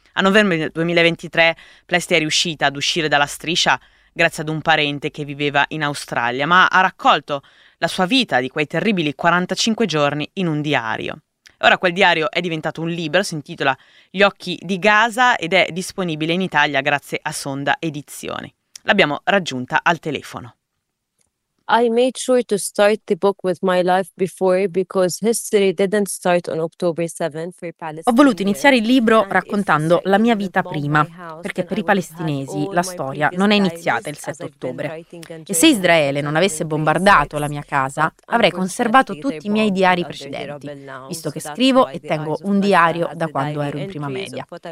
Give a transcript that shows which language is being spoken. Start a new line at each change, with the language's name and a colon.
Italian: A novembre 2023 Plestia è riuscita ad uscire dalla striscia grazie ad un parente che viveva in Australia, ma ha raccolto la sua vita di quei terribili 45 giorni in un diario. Ora quel diario è diventato un libro, si intitola Gli occhi di Gaza ed è disponibile in Italia grazie a Sonda Edizioni. L'abbiamo raggiunta al telefono.
English: I made sure to start the book with my life before because history didn't start on October 7th for Palestinians.
Italian: Ho voluto iniziare il libro raccontando la mia vita prima, perché per i palestinesi la storia non è iniziata il 7 ottobre. E se Israele non avesse bombardato la mia casa, avrei conservato tutti i miei diari precedenti, visto che scrivo e tengo un diario da quando ero in prima media.